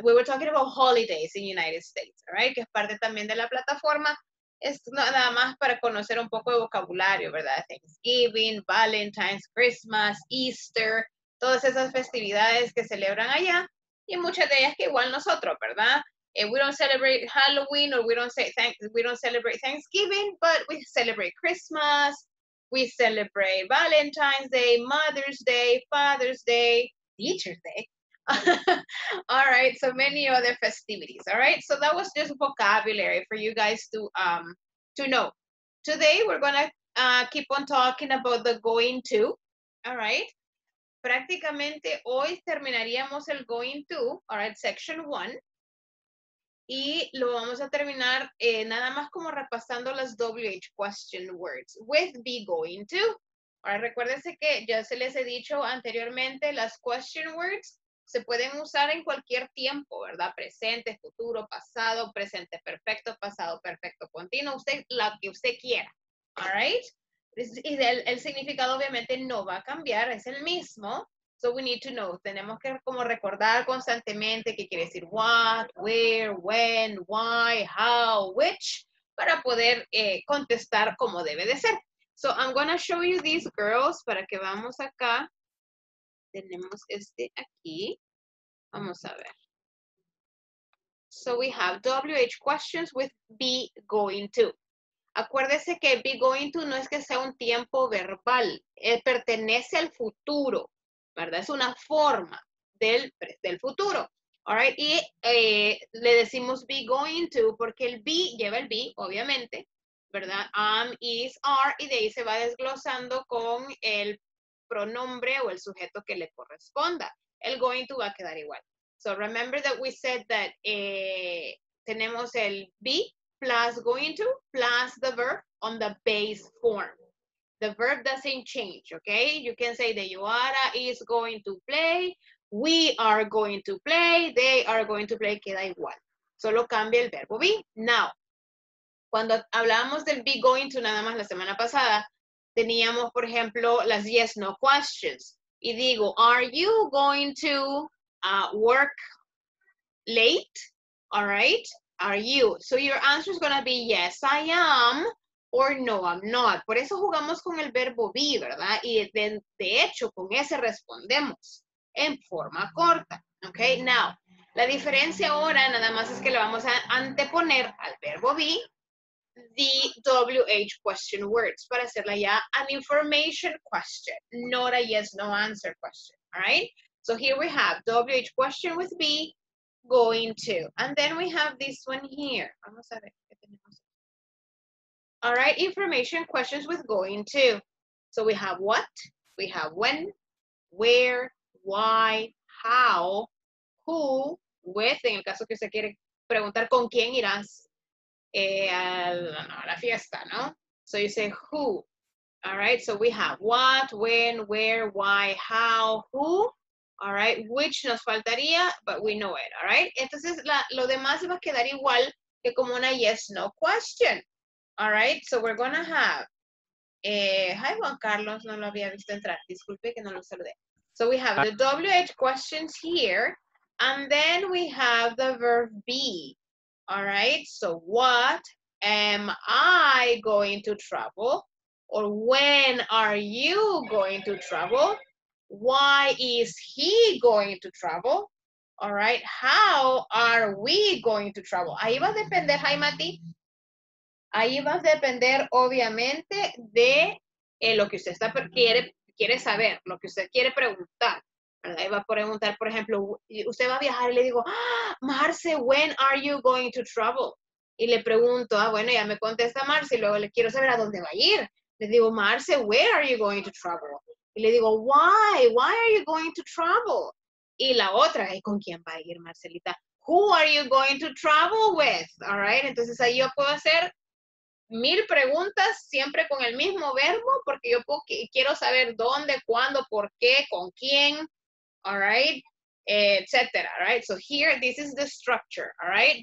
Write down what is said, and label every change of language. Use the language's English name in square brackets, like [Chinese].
[English] We were talking about holidays in the United States, all right? [Spanish] Que es parte también de la plataforma. Es nada más para conocer un poco de vocabulario, ¿verdad? Thanksgiving, Valentine's, Christmas, Easter, todas esas festividades que celebran allá. Y muchas de ellas que igual nosotros, ¿verdad? [English] We don't celebrate Halloween or we don't celebrate Thanksgiving, but we celebrate Christmas, we celebrate Valentine's Day, Mother's Day, Father's Day, Teacher's Day. All right, so many other festivities. All right, so that was just vocabulary for you guys to know. Today we're gonna keep on talking about the going to. [Spanish] All right, prácticamente hoy terminaríamos el going to. All right, section one, y lo vamos a terminar nada más como repasando las [English] WH question words with be going to. [Spanish] All right, recuérdense que ya se les he dicho anteriormente las question words. Se pueden usar en cualquier tiempo, ¿verdad? Presente, futuro, pasado, presente perfecto, pasado perfecto, continuo. Usted, la que usted quiera. All right? Y el significado obviamente no va a cambiar, es el mismo. [English] So we need to know. [Spanish] Tenemos que como recordar constantemente qué quiere decir what, where, when, why, how, which, para poder contestar como debe de ser. [English] So I'm going to show you these girls [Spanish] para que vamos acá. Tenemos este aquí. Vamos a ver. [English] So we have WH questions with be going to. [Spanish] Acuérdese que be going to no es que sea un tiempo verbal. Pertenece al futuro, ¿verdad? Es una forma del futuro. All right? Y le decimos be going to porque el be lleva el be, obviamente, ¿verdad? Am, is, are. Y de ahí se va desglosando con el pronombre o el sujeto que le corresponda. El going to va a quedar igual. [English] So remember that we said that [Spanish] tenemos el [English] be plus going to plus the verb on the base form. The verb doesn't change, okay? You can say that you are is going to play, we are going to play, they are going to play, [Spanish] queda igual. Solo cambia el verbo be. Now, cuando hablábamos del be going to nada más la semana pasada, teníamos, por ejemplo, las yes, no questions. Y digo, [English] are you going to work late? All right, are you? So your answer is going to be yes, I am. or no, I'm not. [Spanish] Por eso jugamos con el verbo be, ¿verdad? Y de hecho, con ese respondemos en forma corta. Okay, now, la diferencia ahora nada más es que le vamos a anteponer al verbo be the WH question words para hacerla ya [English] an information question, not a yes, no answer question. [Spanish] All right? [English] So here we have WH question with be going to. And then we have this one here. [Spanish] Vamos a ver. [English] All right, information questions with going to. So we have what, we have when, where, why, how, who, with, [Spanish] en el caso que usted quiere preguntar con quién irás a la fiesta, ¿no? [English] So you say who. All right, so we have what, when, where, why, how, who. All right, which [Spanish] nos faltaría, [English] but we know it, all right? [Spanish] Entonces, lo demás va a quedar igual que como una yes, no question. [English] All right, so we're gonna have, [Spanish] hi Juan Carlos, no lo había visto entrar, disculpe que no lo saludé. [English] So we have the WH questions here, and then we have the verb be. All right, so what am I going to travel? Or when are you going to travel? Why is he going to travel? All right, how are we going to travel? [Spanish] Ahí va a depender, hi Mati. Ahí va a depender, obviamente, de lo que usted está, quiere saber, lo que usted quiere preguntar. Ahí va a preguntar, por ejemplo, usted va a viajar y le digo, ¡ah, Marce, [English] when are you going to travel? [Spanish] Y le pregunto, ah, bueno, ya me contesta Marce, y luego le quiero saber a dónde va a ir. [English] Le digo, Marce, where are you going to travel? [Spanish] Y le digo, [English] why are you going to travel? [Spanish] Y la otra, ¿y con quién va a ir, Marcelita? [English] Who are you going to travel with? [Spanish] All right, entonces ahí yo puedo hacer 1,000 preguntas siempre con el mismo verbo porque yo quiero saber dónde, cuándo, por qué, con quién, all right, etcétera, all right. [English] So here, this is the structure, all right.